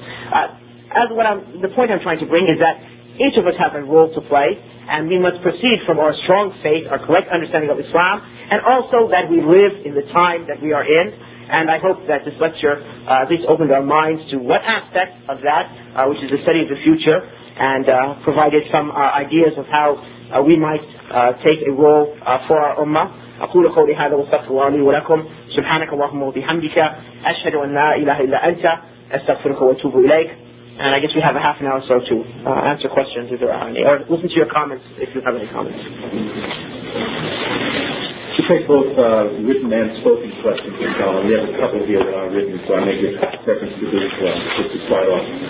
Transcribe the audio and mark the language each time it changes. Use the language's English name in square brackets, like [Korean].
[English] The point I'm trying to bring is that each of us have a role to play, and we must proceed from our strong faith, our correct understanding of Islam, and also that we live in the time that we are in. And I hope that this lecture at least opened our minds to what aspect of that, which is the study of the future, and provided some ideas of how we might take a role for our ummah. [Arabic] أقول قولي هذا واستغفر الله لي ولكم سبحانك اللهم وبحمدك أشهد أن لا إله إلا أنت أستغفرك وأتوب إليك. [English] And I guess we have a half an hour or so to answer questions if there are any, or listen to your comments if you have any comments. To take both written and spoken questions, we have a couple here that are written, so I may give preference to this one, just to start off.